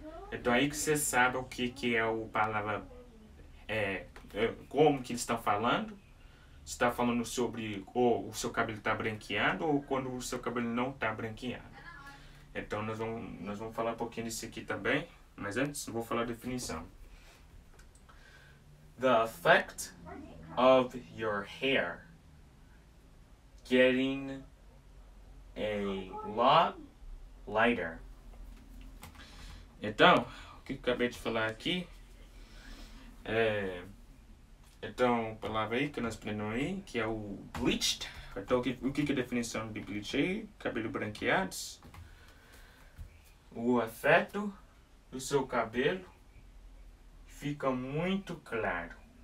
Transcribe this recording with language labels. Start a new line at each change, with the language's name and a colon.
Portuguese: Então aí que você sabe o que é o palavra, como que eles estão falando. Se está falando sobre ou o seu cabelo está branqueado ou quando o seu cabelo não está branqueado. Então nós vamos falar um pouquinho disso aqui também, mas antes vou falar a definição.
English: The effect of your hair getting a lot lighter.
Portuguese: Então, o que eu acabei de falar aqui é. Então, palavra aí que nós aprendemos aí, que é o bleached. Então, o que é a definição de bleached aí? Cabelo branqueados. O efeito do seu cabelo fica muito claro.